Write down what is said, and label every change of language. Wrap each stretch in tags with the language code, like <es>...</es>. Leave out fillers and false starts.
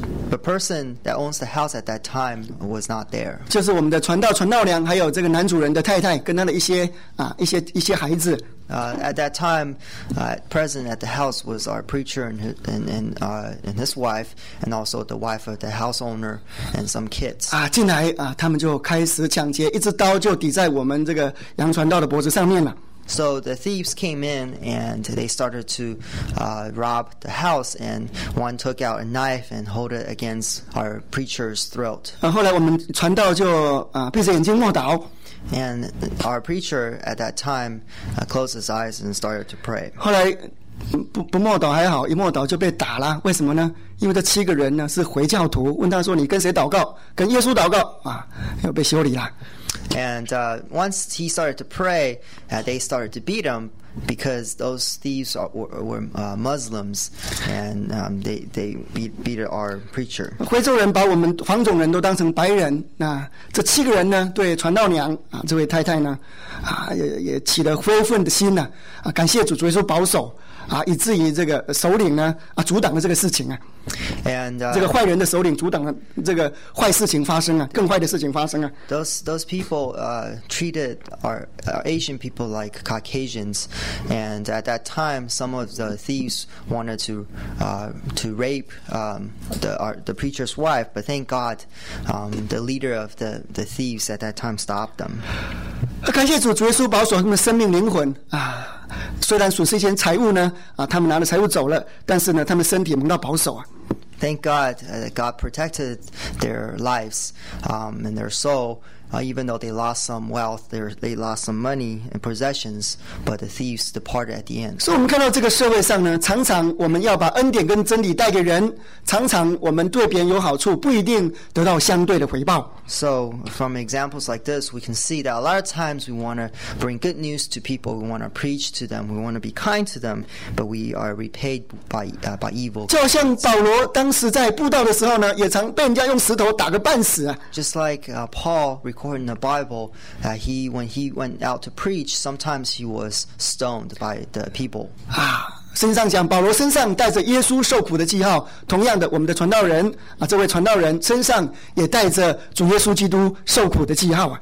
<en>The person that owns the house at that time was not there.</en> <zh>就是我们的传道传道娘，还有这个男主人的太太，跟他的一些孩子。</zh> <en>At that time, present at the house was our preacher and his wife, and also the wife of the house owner and some kids.</en> <zh>进来他们就开始抢劫，一支刀就抵在我们这个杨传道的脖子上面了。</zh> <en>So the thieves came in and they started to rob the house, and one took out a knife and hold it against our preacher's throat.</en> <zh>后来我们传道就闭着眼睛默祷。</zh> <en>And our preacher at that time closed his eyes and started to pray.</en> <zh>后来不默祷还好，一默祷就被打了。为什么呢？因为这七个人呢是回教徒，问他说你跟谁祷告？跟耶稣祷告又被修理了。</zh> <en>And once he started to pray, they started to beat him because those thieves were Muslims, and they beat our preacher.</en> <zh>回州人把我们黄种人都当成白人，那这七个人呢，对传道娘这位太太呢，也起了悔愤的心呢，感谢主，主耶稣保守。以至于这个首领呢阻挡了这个事情</zh> <en>And,</en> <zh>这个坏人的首领阻挡了这个坏事情发生更坏的事情发生</zh> <en>Those people treated our Asian people like Caucasians, and at that time some of the thieves wanted to rape the preacher's wife, but thank God the leader of the thieves at that time stopped them.</en> <zh>感谢主，主耶稣保守他们生命灵魂虽然损失一些财物呢他们拿了财物走了，但是呢他们身体蒙到保守</zh> <en>Thank God, God protected their lives and their soul. Even though they lost some wealth, they lost some money and possessions, but the thieves departed at the end.</en> <zh>所以我们看到这个社会上呢，常常我们要把恩典跟真理带给人，常常我们对别人有好处，不一定得到相对的回报。</zh> <en>So from examples like this, we can see that a lot of times we want to bring good news to people, we want to preach to them, we want to be kind to them, but we are repaid by evil.</en> <zh>就像保罗当时在布道的时候呢，也常被人家用石头打个半死。</zh> <en>Just like Paul recorded in the Bible, when he went out to preach, sometimes he was stoned by the people.</en> <zh>身上讲保罗身上带着耶稣受苦的记号，同样的，我们的传道人这位传道人身上也带着主耶稣基督受苦的记号</zh>